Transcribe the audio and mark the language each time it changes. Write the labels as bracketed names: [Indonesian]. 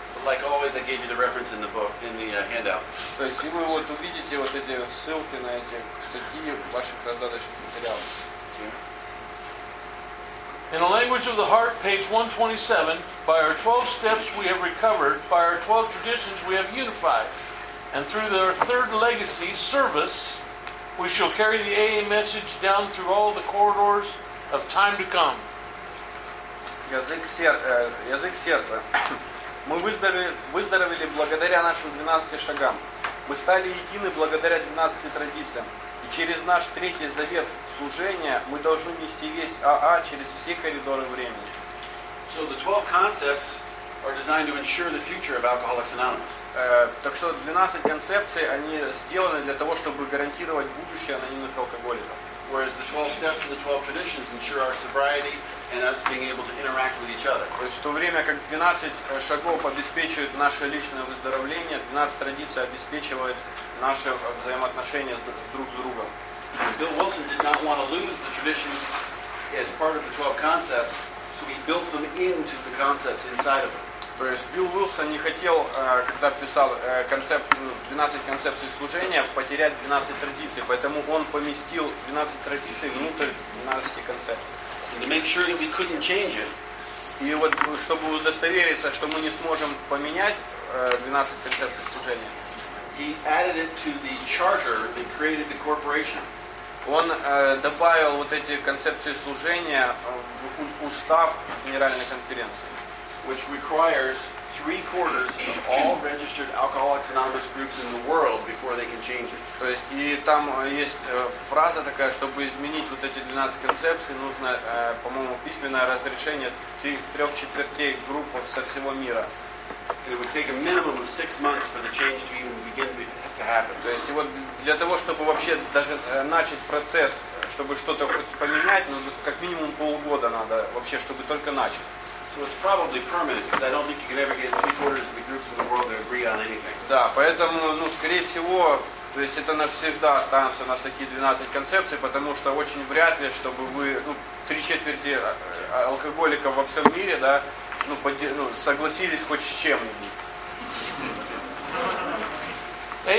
[English] But like always, I gave you the reference in the book, in the handout. [Russian] То есть, и вы вот увидите вот эти ссылки на эти статьи в ваших раздаточных материалах. [English] In the language of the heart, page 127, by our 12 steps we have recovered, by our 12 traditions we have unified, and through their third legacy, service, We shall carry the AA message down through all the corridors of time to come. [Russian] Язык сердца. Мы выздоровели благодаря нашим 12 шагам. Мы стали едины благодаря 12 традициям. И через наш третий завет служения мы должны нести весть АА через все коридоры времени. [English] So the 12 concepts are designed to ensure the future of Alcoholics Anonymous. [Russian] Так что 12 концепций, они сделаны для того, чтобы гарантировать будущее анонимных алкоголиков. [English] Whereas the 12 steps and the 12 traditions ensure our sobriety and us being able to interact with each other. [Russian] То есть в то время как 12 шагов обеспечивают наше личное выздоровление, 12 традиций обеспечивают наши взаимоотношения друг с другом. [English] Bill Wilson did not want to lose the traditions as part of the 12 concepts, so he built them into the concepts inside of them. [Russian] То есть Билл Уилсон не хотел, когда писал концепт, 12 концепций служения, потерять 12 традиций, поэтому он поместил 12 традиций внутрь 12 концепций. [English] To make sure that we couldn't change it. [Russian] И вот чтобы удостовериться, что мы не сможем поменять 12 концепций служения. [English] He added it to the charter that created the corporation. [Russian] Он добавил вот эти концепции служения в устав Генеральной конференции. [English] Which requires 3/4 of all registered Alcoholics Anonymous groups in the world before they can change it. [Russian] То есть и там есть фраза такая, чтобы изменить вот эти 12 концепций, нужно, по-моему, письменное разрешение 3/4 групп со всего мира. [English] It would take a minimum of 6 months for the change to even begin to happen. [Russian] То есть вот для того, чтобы вообще даже начать процесс, чтобы что-то хоть поменять, нужно как минимум полгода надо вообще, чтобы только начать. [English] So it's probably permanent because I don't think you can ever get 3/4 of the groups in the world to agree on anything. [Russian] Да, поэтому, ну, скорее всего, то есть это навсегда останутся у нас такие 12 концепций, потому что очень вряд ли, чтобы вы, ну, 3/4 алкоголиков во всем мире, да, ну, согласились хоть с чем-нибудь.